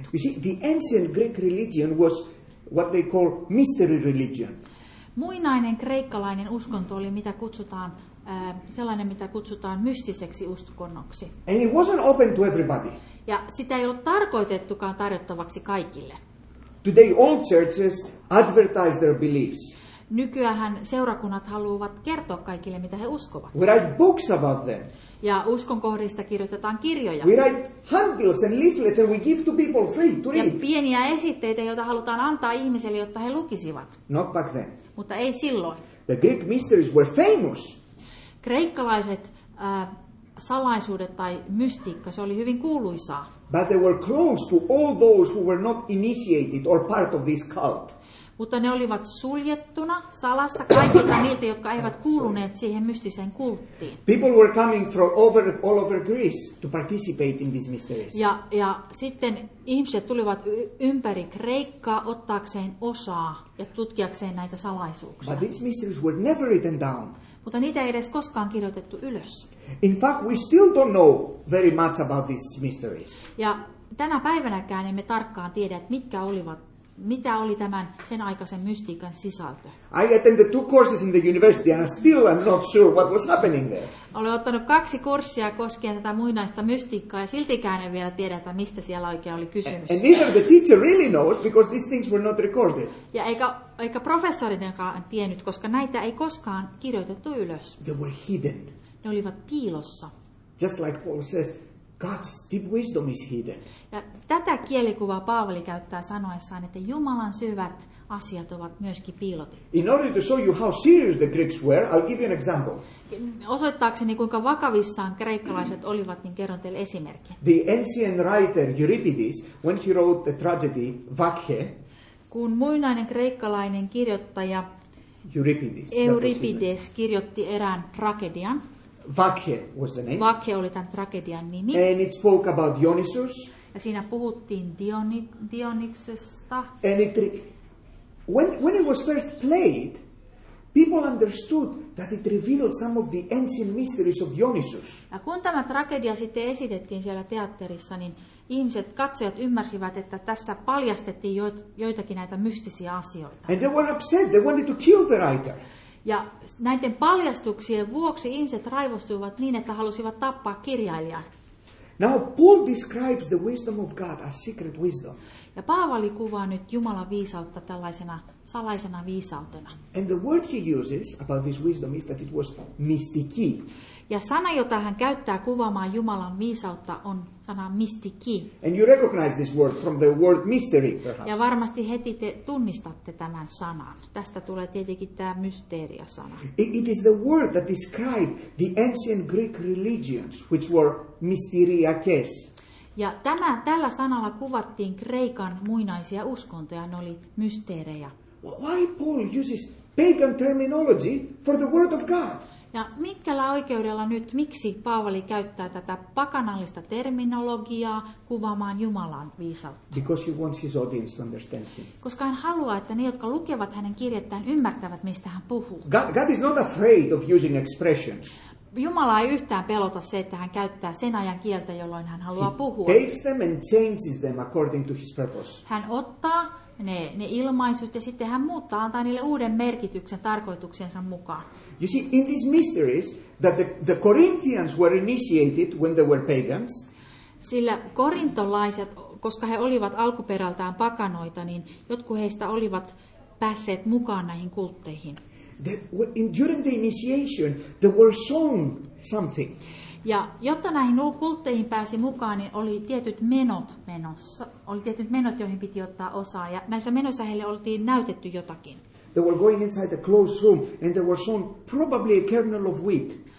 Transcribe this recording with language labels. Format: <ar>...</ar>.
<en>You see, the ancient Greek religion was what they call mystery religion.</en> <fi>Muinainen kreikkalainen uskonto oli mitä kutsutaan mystiseksi uskonnoksi.</fi> <en>And it wasn't open to everybody.</en> <fi>Ja sitä ei ollut tarkoitettukaan tarjottavaksi kaikille.</fi> <en>Today all churches advertise their beliefs.</en> <fi>Nykyään seurakunnat haluavat kertoa kaikille, mitä he uskovat.</fi> <en>We write books about them.</en> <fi>Ja uskonkohdista kirjoitetaan kirjoja.</fi> <en>We write handbills and leaflets and we give to people free to read.</en> <fi>Ja pieniä esitteitä, joita halutaan antaa ihmiselle, jotta he lukisivat.</fi> <en>Not back then.</en> <fi>Mutta ei silloin.</fi> <en>The Greek mysteries were famous.</en> <fi>Kreikkalaiset salaisuudet tai mystiikka, se oli hyvin kuuluisaa.</fi> <en>But they were close to all those who were not initiated or part of this cult.</en> <fi>mutta ne olivat suljettuna salassa kaikilta niiltä, jotka eivät kuuluneet siihen mystiseen kulttiin.</fi> <en>People were coming from all over Greece to participate in these mysteries.</en> <fi>Ja sitten ihmiset tulivat ympäri Kreikkaa ottaakseen osaa ja tutkiakseen näitä salaisuuksia.</fi> <en>But these mysteries were never written down.</en> <fi>Mutta niitä ei edes koskaan kirjoitettu ylös.</fi> <en>In fact, we still don't know very much about these mysteries.</en> <fi>Ja tänä päivänäkään emme tarkkaan tiedä, mitkä olivat, mitä oli tämän sen aikaisen mystiikan sisältö.</fi> <en>I attended two courses in the university and I still am not sure what was happening there.</en> <fi>Olen ottanut kaksi kurssia koskien tätä muinaista mystiikkaa ja siltikään en vielä tiedä, että mistä siellä oikein oli kysymys.</fi> <en>And neither the teacher really knows because these things were not recorded.</en> <fi>Ja eikä professorinkaan tiennyt, koska näitä ei koskaan kirjoitettu ylös.</fi> <en>They were hidden.</en> <fi>Ne olivat piilossa.</fi> <en>Just like Paul says, God's deep wisdom is hidden.</en> <fi>Ja tätä kielikuvaa Paavali käyttää sanoessaan, että Jumalan syvät asiat ovat myöskin piilotettu.</fi> <en>In order to show you how serious the Greeks were, I'll give you an example.</en> <fi>Osoittaakseni, kuinka vakavissaan kreikkalaiset olivat, niin kerron teille esimerkin.</fi> <en>The ancient writer Euripides, when he wrote the tragedy Vakhe,</en> <fi>kun muinainen kreikkalainen kirjoittaja Euripides kirjoitti erään tragedian,</fi> <en>Vakhe was the name.</en> <fi>Vakhe oli tämän tragedian nimi.</fi> <en>And it spoke about Dionysus.</en> <fi>Ja siinä puhuttiin Dionysesta.</fi> <en>And it when it was first played, people understood that it revealed some of the ancient mysteries of Dionysus.</en> <fi>Ja kun tämä tragedia sitten esitettiin siellä teatterissa, niin ihmiset, katsojat ymmärsivät, että tässä paljastettiin joitakin näitä mystisiä asioita.</fi> <en>And they were upset. They wanted to kill the writer.</en> <fi>Ja näiden paljastuksien vuoksi ihmiset raivostuivat niin, että halusivat tappaa kirjailijan.</fi> <en>Now Paul describes the wisdom of God as secret wisdom.</en> <fi>Ja Paavali kuvaa nyt Jumalan viisautta tällaisena salaisena viisautena.</fi> <en>And the word he uses about this wisdom is that it was mystiki.</en> <fi>Ja sana, jota hän käyttää kuvaamaan Jumalan viisautta, on sana mystiki.</fi> <en>And you recognize this word from the word mystery, perhaps.</en> <fi>Ja varmasti heti te tunnistatte tämän sanan. Tästä tulee tietenkin tämä mysteeria-sana.</fi> <en>It is the word that described the ancient Greek religions, which were mysteriakes.</en> <fi>Ja tällä sanalla kuvattiin Kreikan muinaisia uskontoja, ne oli mysteerejä.</fi> <en>Why Paul uses pagan terminology for the word of God?</en> <fi>Ja mitkällä oikeudella nyt, miksi Paavali käyttää tätä pakanallista terminologiaa kuvaamaan Jumalan viisautta?</fi> <en>Because he wants his audience to understand him.</en> <fi>Koska hän haluaa, että ne, jotka lukevat hänen kirjettään, ymmärtävät, mistä hän puhuu.</fi> <en>God is not afraid of using expressions.</en> <fi>Jumala ei yhtään pelota se, että hän käyttää sen ajan kieltä, jolloin hän haluaa puhua.</fi> <en>He takes them and changes them according to his purpose.</en> <fi>Hän ottaa ne ilmaisut ja sitten hän muuttaa, antaa niille uuden merkityksen tarkoituksensa mukaan.</fi> <en>You see, in these mysteries that the Corinthians were initiated when they were pagans.</en> <fi>Sillä korintolaiset, koska he olivat alkuperältään pakanoita, niin jotkut heistä olivat päässeet mukaan näihin kultteihin.</fi> <en>During the initiation, they were shown something.</en> <fi>Ja jotta näihin kultteihin pääsi mukaan, niin oli tietyt menot menossa. Oli tietyt menot, joihin piti ottaa osaa. Ja näissä menoissa heille oltiin näytetty jotakin.</fi> <en>They were going inside a closed room, and they were shown probably a kernel of wheat.</en>